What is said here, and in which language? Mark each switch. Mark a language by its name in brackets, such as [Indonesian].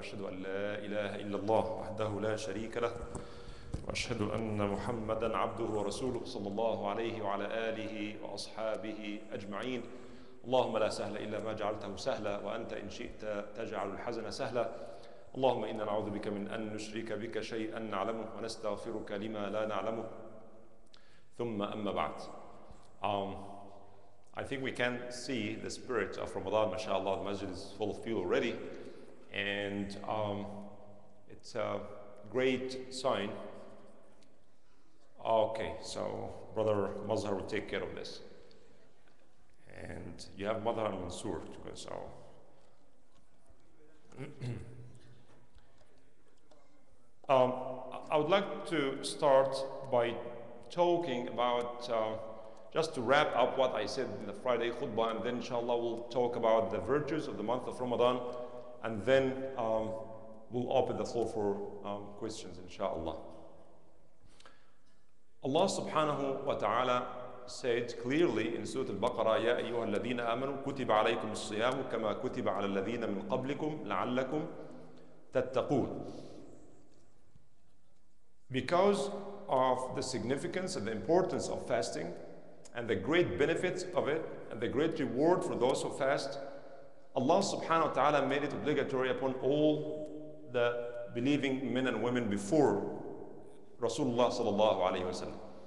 [Arabic] أشهد أن لا إله إلا الله وحده لا شريك له وأشهد أن محمدا عبده ورسوله صلى الله عليه وعلى آله وأصحابه أجمعين. اللهم لا سهل إلا ما جعلته سهلا وأنت إن شئت تجعل الحزن سهلا. اللهم إنا نعوذ بك من أن نشرك بك شيئا نعلمه ونستغفرك لما لا نعلمه ثم أما بعد. [English] I think we can see the spirit of Ramadan. MashaAllah, the masjid is full of people already, and it's a great sign. Okay, so Brother Mazhar will take care of this. And you have Mazhar and Mansoor to go, so. I would like to start by talking about, just to wrap up what I said in the Friday khutbah, and then inshallah we'll talk about the virtues of the month of Ramadan, and then we'll open the floor for questions inshallah. Allah subhanahu wa ta'ala said clearly in Surah Al-Baqarah, [Arabic] يَا أَيُّهَا الَّذِينَ آمَنُوا كُتِبَ عَلَيْكُمُ الصِّيَامُ كَمَا كُتِبَ عَلَى الَّذِينَ مِنْ قَبْلِكُمْ لَعَلَّكُمْ تَتَّقُونَ. [English] Because of the significance and the importance of fasting and the great benefits of it and the great reward for those who fast, Allah subhanahu wa ta'ala made it obligatory upon all the believing men and women before Rasulullah sallallahu alayhi wa sallam.